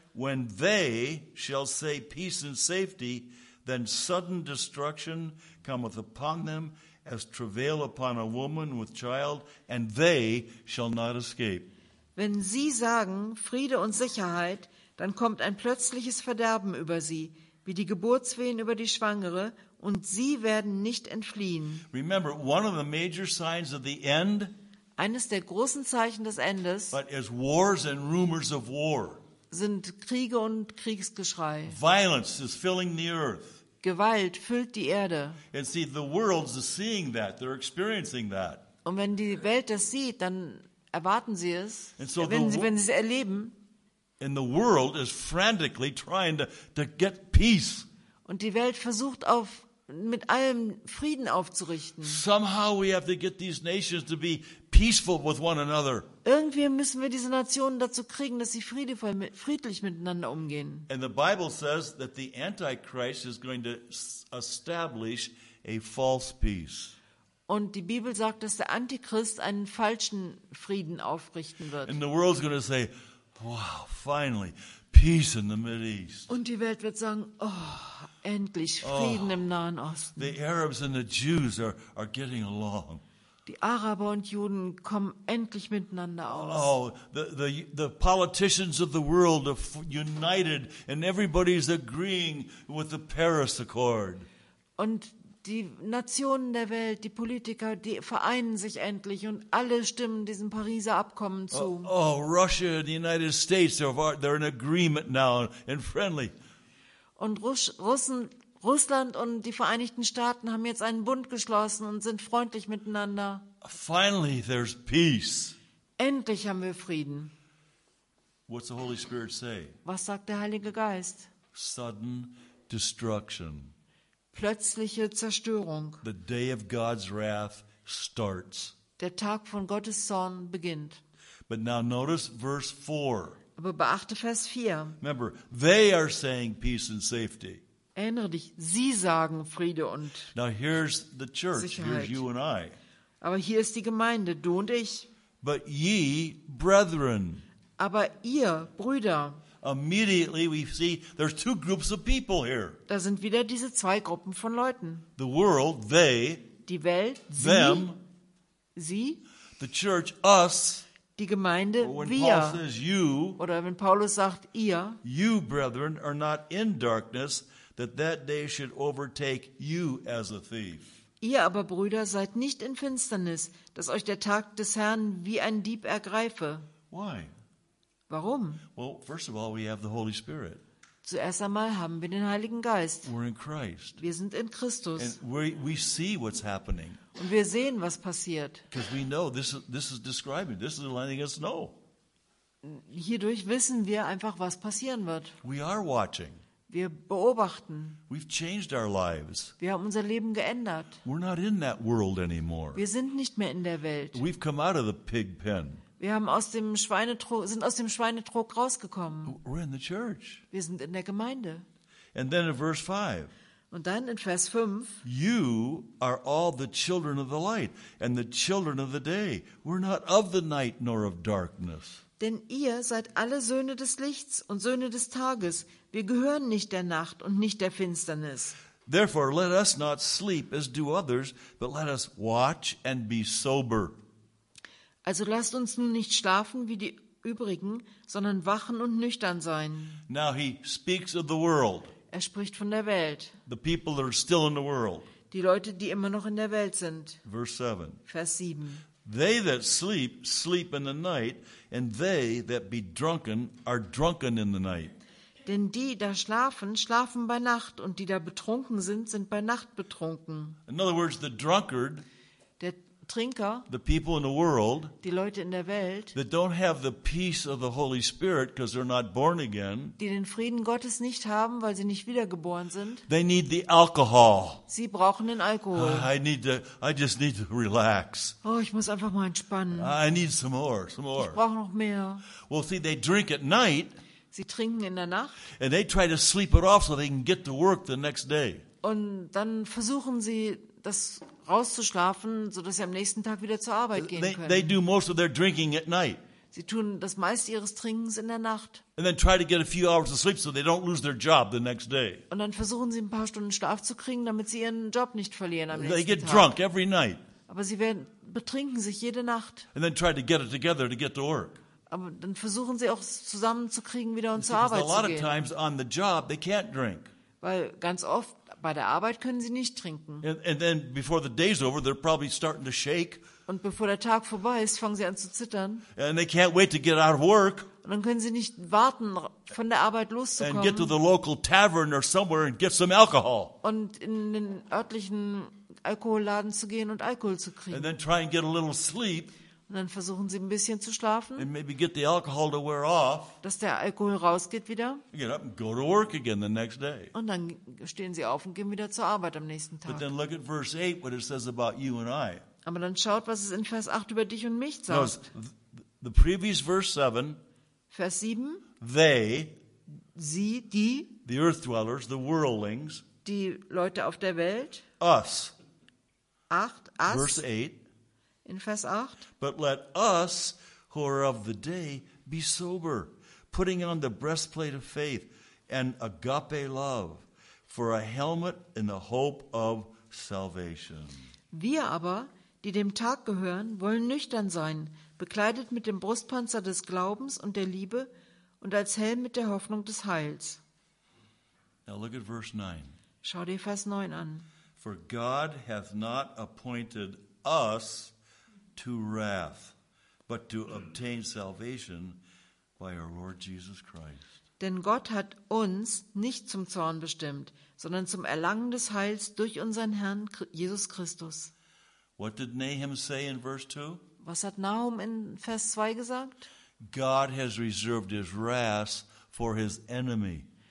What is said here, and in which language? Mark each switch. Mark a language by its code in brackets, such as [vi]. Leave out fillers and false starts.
[en] When they shall say peace and safety, then sudden destruction cometh upon them as travail upon a woman with child, and they shall not escape. [de] Wenn sie sagen, Friede und Sicherheit, dann kommt ein plötzliches Verderben über sie, wie die Geburtswehen über die Schwangere, und sie werden nicht entfliehen. [en] Remember, one of the major signs of the end, [de] eines der großen Zeichen des Endes, [en] but is wars and rumors of war, [de] sind Kriege und Kriegsgeschrei. [en] Violence is filling the earth. [de] Gewalt füllt die Erde. [en] And see, the world is seeing that. They're experiencing that. [de] Und wenn die Welt das sieht, dann erwarten sie es. So wenn sie es erleben. [en] And the world is frantically trying to get peace. [de] Und die Welt versucht auf mit allem Frieden aufzurichten. [en] Somehow we have to get these nations to be peaceful with one another. [de] Irgendwie müssen wir diese Nationen dazu kriegen, dass sie friedlich miteinander umgehen. [en] And the Bible says that the Antichrist is going to establish a false peace. [de] Und die Bibel sagt, dass der Antichrist einen falschen Frieden aufrichten wird. [en] And the world's going to say, wow, finally, peace in the Middle East. [de] Und die Welt wird sagen, oh, endlich Frieden im Nahen Osten. [en] The Arabs and the Jews are getting along. [de] Die Araber und Juden kommen endlich miteinander aus. [en] Oh, the politicians of the world are united and everybody's agreeing with the Paris Accord. [de] Und die Nationen der Welt, die Politiker, die vereinen sich endlich und alle stimmen diesem Pariser Abkommen zu. [en] Oh, Russia and the United States, they're in agreement now and friendly. [de] Und Russland und die Vereinigten Staaten haben jetzt einen Bund geschlossen und sind freundlich miteinander. [en] Finally, there's peace. [de] Endlich haben wir Frieden. [en] What's the Holy Spirit say? [de] Was sagt der Heilige Geist? [en] Sudden destruction. [de] Plötzliche Zerstörung. [en] The day of God's wrath starts. [de] Der Tag von Gottes Zorn beginnt. [en] But now notice verse 4. [de] Aber beachte Vers 4. [en] Remember, they are saying peace and safety. [de] Erinnere dich, sie sagen Friede und [en] now here's the church, [de] Sicherheit. [en] Here's you and I. [de] Aber hier ist die Gemeinde, du und ich. [en] But ye, brethren. [de] Aber ihr, Brüder. [en] Immediately we see there's two groups of people here. [de] Da sind wieder diese zwei Gruppen von Leuten. [en] The world, they. [de] Die Welt, sie. [en] Them. [de] Sie. [en] The church, us. [de] Die Gemeinde, [en] when [de] wir. [en] Paul says you, [de] oder wenn Paulus sagt, ihr. [en] You, brethren, are not in darkness, that day should overtake you as a thief. [de] Ihr aber, Brüder, seid nicht in Finsternis, dass euch der Tag des Herrn wie ein Dieb ergreife. [en] Why? [de] Warum? [en] Well, first of all, we have the Holy Spirit. [de] Zuerst einmal haben wir den Heiligen Geist. [en] We're in Christ. [de] Wir sind in Christus. [en] And we see what's happening. [de] Und wir sehen, was passiert. [en] Because we know this is describing. This is letting us know. [de] Hierdurch wissen wir einfach, was passieren wird. [en] We are watching. [de] Wir beobachten. [en] We've changed our lives. [de] Wir haben unser Leben geändert. [en] We're not in that world anymore. [de] Wir sind nicht mehr in der Welt. [en] We've come out of the pig pen. [de] Wir haben sind aus dem Schweinetrog rausgekommen. [en] We're in the church. [de] Wir sind in der Gemeinde. [en] And then in verse 5. [de] Und dann in Vers 5. [en] You are all the children of the light and the children of the day. We're not of the night nor of darkness. [de] Denn ihr seid alle Söhne des Lichts und Söhne des Tages. Wir gehören nicht der Nacht und nicht der Finsternis. [en] Therefore let us not sleep as do others, but let us watch and be sober. [de] Also lasst uns nun nicht schlafen wie die übrigen, sondern wachen und nüchtern sein. [en] Now he speaks of the world. [de] Er spricht von der Welt. [en] The people that are still in the world. [de] Die Leute, die immer noch in der Welt sind. Vers 7. [en] They that sleep, sleep in the night, and they that be drunken, are drunken in the night. [de] Denn die, da schlafen, schlafen bei Nacht, und die, da betrunken sind, sind bei Nacht betrunken. [en] In other words, the drunkard, [de] der Trinker, [en] the people in the world, [de] die Leute in der Welt, [en] that don't have the peace of the Holy Spirit because they're not born again, [de] die den Frieden Gottes nicht haben, weil sie nicht wiedergeboren sind, [en] they need the alcohol. [de] Sie brauchen den Alkohol. [en] I just need to relax. [de] Oh, ich muss einfach mal entspannen. [en] I need some more. [de] Ich brauche noch mehr. [en] Well, see, they drink at night. [de] Sie trinken in der Nacht. [en] And they try to sleep it off so they can get to work the next day. [de] Und dann versuchen sie, das rauszuschlafen, sodass sie am nächsten Tag wieder zur Arbeit gehen können. [en] They do most of their drinking at night. [de] Sie tun das meiste ihres Trinkens in der Nacht. [en] And then try to get a few hours of sleep so they don't lose their job the next day. [de] Und dann versuchen sie ein paar Stunden Schlaf zu kriegen, damit sie ihren Job nicht verlieren am nächsten Tag. [en] They get drunk every night. [de] Aber sie betrinken sich jede Nacht. [en] And then try to get it together to get to work. [de] Aber dann versuchen sie auch zusammenzukriegen, wieder und zur Arbeit zu gehen. [en] On the job, they can't drink. [de] Weil ganz oft bei der Arbeit können sie nicht trinken. [en] And then before the day's over, they're probably starting to shake. [de] Und bevor der Tag vorbei ist, fangen sie an zu zittern. [en] And they can't wait to get out of work. [de] Und dann können sie nicht warten, von der Arbeit loszukommen. [en] And get to the local tavern or somewhere and get some alcohol. [de] Und in den örtlichen Alkoholladen zu gehen und Alkohol zu kriegen. [en] And then try and get a little sleep. [de] Und dann versuchen sie ein bisschen zu schlafen. [en] And maybe get the alcohol to wear off. [de] Dass der Alkohol rausgeht wieder. [en] Get up and go to work again the next day. [de] Und dann stehen sie auf und gehen wieder zur Arbeit am nächsten Tag. [en] But then look at verse 8, what it says about you and I. [de] Aber dann schaut, was es in Vers 8 über dich und mich sagt. [en] Notice, the previous verse 7, [de] Vers 7, [en] they, [de] sie, die, [en] the earth dwellers, the worldlings, [de] die Leute auf der Welt, [en] us, 8, us, verse 8, [de] in Vers 8, [en] but let us who are of the day be sober, putting on the breastplate of faith and agape love for a helmet in the hope of salvation. [de] Wir aber, die dem Tag gehören, wollen nüchtern sein, bekleidet mit dem Brustpanzer des Glaubens und der Liebe und als Helm mit der Hoffnung des Heils. [en] Now look at verse 9. [de] Schau dir Vers 9 an. [en] For God hath not appointed us to wrath, but to obtain salvation by our Lord Jesus Christ. [de] Denn Gott hat uns nicht zum Zorn bestimmt, sondern zum Erlangen des Heils durch unseren Herrn Jesus Christus. [en] What did Nahum say in verse 2? [de] Was hat Nahum in Vers 2 gesagt? [en] God has reserved his wrath for his enemy.